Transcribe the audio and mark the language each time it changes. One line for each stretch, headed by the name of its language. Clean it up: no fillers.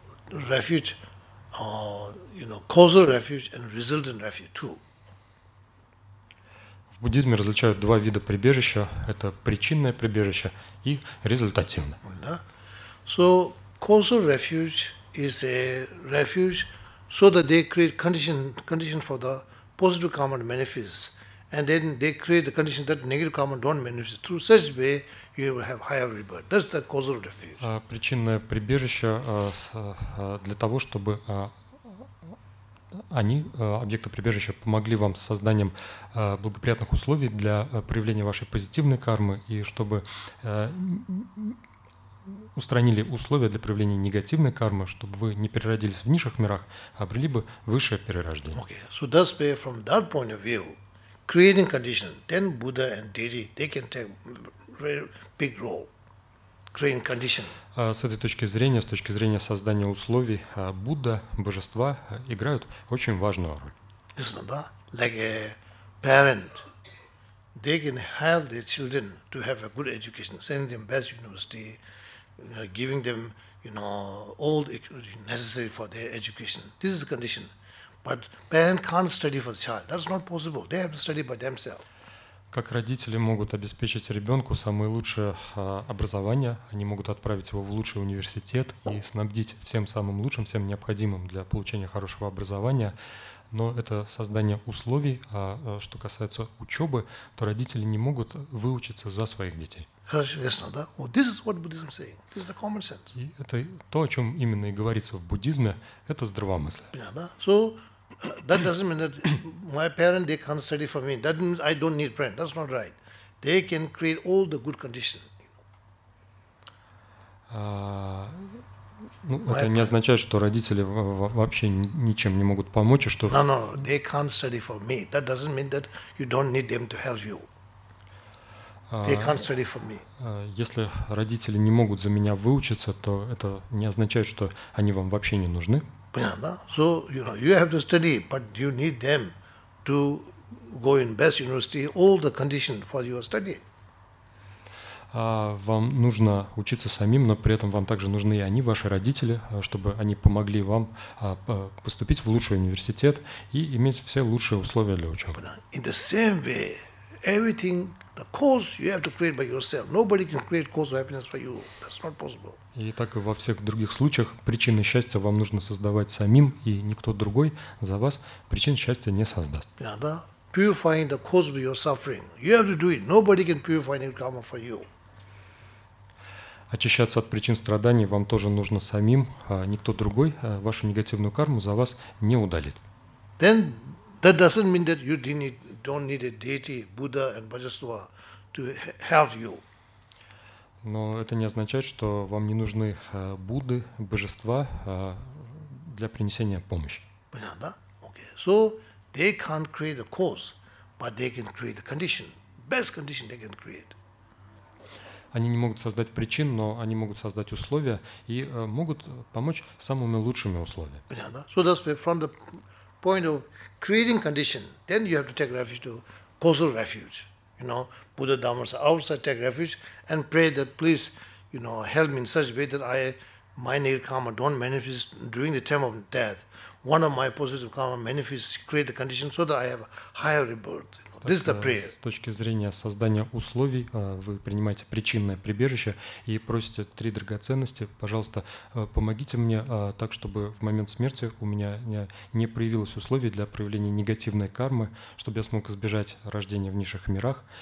English: Refuge, you know, causal refuge and resultant refuge too.
Russian: В буддизме различают два вида прибежища. Это причинное прибежище и результативное. Да.
English: So causal refuge is a refuge so that they create condition for the positive karma to manifest, and then they create the condition that negative karma don't manifest. Through such way, you will have higher rebirth. That's the causal refuge.
Russian: Причинное прибежище для того, чтобы они, объекты прибежища, помогли вам с созданием благоприятных условий для проявления вашей позитивной кармы и чтобы устранили условия для проявления негативной кармы, чтобы вы не переродились в низших мирах, а обрели бы высшее перерождение.
English: Okay. So that's where, from that point of view, creating condition, then Buddha and Deity, they can take very big role. Creating condition.
Russian: С этой точки зрения, с точки зрения создания условий, Будда, божества, играют очень важную роль.
English: Listen,
Russian: да?
English: Like a parent, they can help their children to have a good education, sending them best university, giving them, you know, all the necessary for their education. This is the condition. But parent can't study for the child. That's not possible. They have to study by themselves.
Russian: Как родители могут обеспечить ребенку самое лучшее образование, они могут отправить его в лучший университет и снабдить всем самым лучшим, всем необходимым для получения хорошего образования, но это создание условий, а что касается учебы, то родители не могут выучиться за своих детей. Ясно, да?
English: Well, this is what Buddhism is saying. This is the common sense.
Russian: И это то, о чем именно и говорится в буддизме, это здравомыслие.
English: Yeah,
Russian: да?
English: So that doesn't mean that my parents they can't study for me. That means I don't need parents. That's not right. They can create all the good conditions.
Russian: Ну, это не означает, что родители вообще ничем не могут помочь, и что...
English: No, they can't study for me. That doesn't mean that you don't need them to help you. They can't study for me.
Russian: Если родители не могут за меня выучиться, то это не означает, что они вам вообще не нужны. Понятно, да?
English: So, you know, you have to study, but you need them to go in best university, all the conditions for your study.
Russian: Вам нужно учиться самим, но при этом вам также нужны и они, ваши родители, чтобы они помогли вам поступить в лучший университет и иметь все лучшие условия для учебы.
English: In the same way, everything, the course you have to create by yourself. Nobody can create course of happiness for you. That's not possible.
Russian: И так и во всех других случаях причины счастья вам нужно создавать самим, и никто другой за вас причин счастья не создаст.
English: Yeah,
Russian: да.
English: Purifying the cause of your suffering. You have to do it. Nobody can purify any karma for you.
Russian: Очищаться от причин страданий вам тоже нужно самим, а никто другой вашу негативную карму за вас не удалит.
English: Then that doesn't mean that you don't need a deity, Buddha and Bodhisattva to help you.
Russian: Но это не означает, что вам не нужны Будды, Божества для принесения помощи. Понятно, да?
English: Okay. So they can't create the cause, but they can create the condition, best condition they can create.
Russian: Они не могут создать причин, но они могут создать условия и могут помочь самыми лучшими условиями. Понятно, да?
English: So that's from the point of creating condition, then you have to take refuge to causal refuge. You know, Buddha, Dhamma, outside take refuge and pray that please, you know, help me in such a way that my negative karma don't manifest during the time of death. One of my positive karma manifests, create the condition so that I have a higher rebirth.
Russian: С точки зрения создания условий, вы принимаете причинное прибежище и просите три драгоценности. Пожалуйста, помогите мне так, чтобы в момент смерти у меня не проявилось условий для проявления негативной кармы, чтобы я смог избежать рождения в низших мирах.